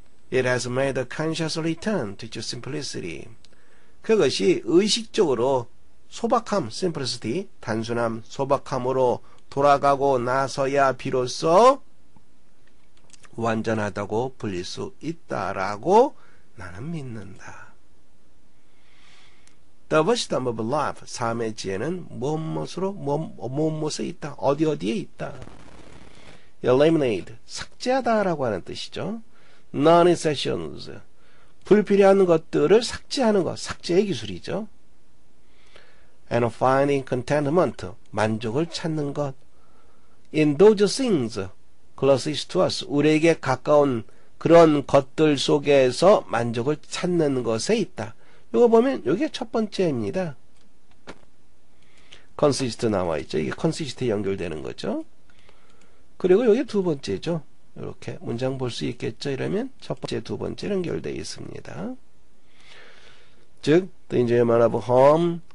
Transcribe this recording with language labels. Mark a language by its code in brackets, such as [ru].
[en] It has made a conscious return to its simplicity. [ko] 그것이 의식적으로 소박함, simplicity, 단순함, 소박함으로 돌아가고 나서야 비로소 완전하다고 불릴 수 있다라고 나는 믿는다. [en] The wisdom of life, [ko] 삶의 지혜는 무엇으로, 무엇에 있다, 어디에 있다. Eliminate, 삭제하다라고 하는 뜻이죠. [en] Non-essentials. [ko] 불필요한 것들을 삭제하는 것. 삭제의 기술이죠. [en] And finding contentment. [ko] 만족을 찾는 것. [en] In those things closest to us. [ko] 우리에게 가까운 그런 것들 속에서 만족을 찾는 것에 있다. 이거 보면 이게 첫 번째입니다. Consist 나와 있죠. 이게 Consist에 연결되는 거죠. 그리고 이게 두 번째죠. 이렇게 문장 볼수 있겠죠? 이러면 첫 번째, 두 번째 연결되어 있습니다. 즉, [en] The enjoyment of home,